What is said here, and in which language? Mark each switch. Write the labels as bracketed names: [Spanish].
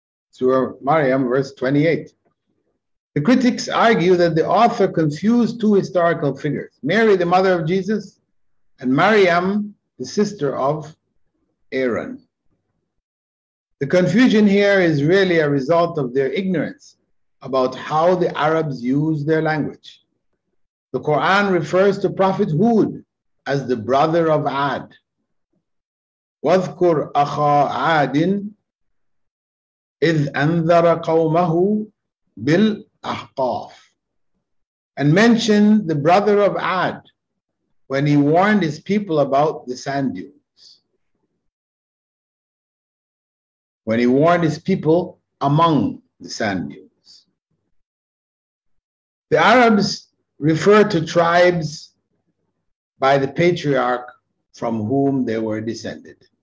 [English] Surah Maryam, verse 28. The critics argue that the author confused two historical figures, Mary, the mother of Jesus, and Maryam, the sister of Aaron. The confusion here is really a result of their ignorance about how the Arabs use their language. The Quran refers to Prophet Hud as the brother of Ad. [Arabic] وَذْكُرْ أَخَا عَادٍ إِذْ أَنذَرَ قَوْمَهُ بِالْأَحْقَافِ. [English] And mention the brother of Ad when he warned his people about the sand dunes. When he warned his people among the sand dunes. The Arabs refer to tribes by the patriarch from whom they were descended.